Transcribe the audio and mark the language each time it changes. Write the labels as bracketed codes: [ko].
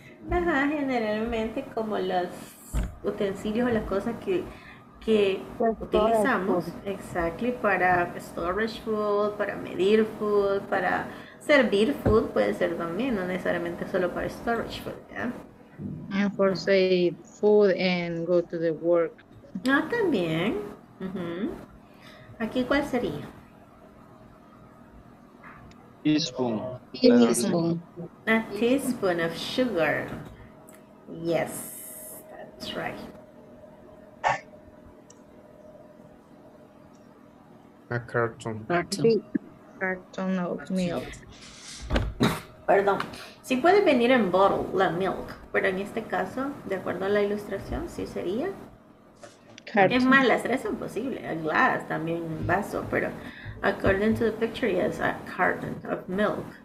[es] Ajá, generalmente como los utensilios o las cosas que utilizamos. Exactly, para storage food, para medir food, para... Servir food puede ser también, no necesariamente solo para storage food, ¿ya? [en] And for say food and go to the work. [es] Ah, también. Uh-huh. Aquí, ¿cuál sería? [en] Teaspoon. A teaspoon of sugar. Yes, that's right. A carton. Carton. carton of milk. [es] Perdón. Sí puede venir en bottle, la milk. Pero en este caso, de acuerdo a la ilustración, sí sería. Carton. Es más, las tres son posibles. A glass, también un vaso. [en] Pero according to the picture, yes, a carton of milk.